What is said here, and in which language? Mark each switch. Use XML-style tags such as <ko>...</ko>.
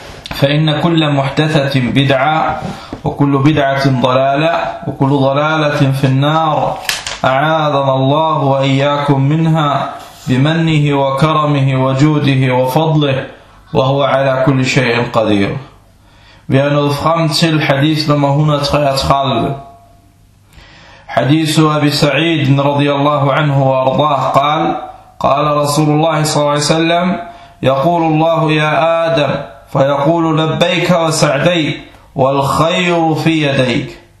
<ar>فإن كل محدثة بدعة، وكل بدعة ضلالة، وكل ضلالة في النار، أعاذنا الله وإياكم منها بمنه وكرمه وجوده وفضله وهو على كل شيء قدير.</ar> <da>Vi har nået frem til hadith nummer 133.</da> <ar>Hadith Abi Sa'id radiyallahu anhu wa ardah قال: قال رسول الله صلى الله عليه وسلم: يقول الله يا آدم فيقول لبيك وسعديك والخير في يديك.</ar>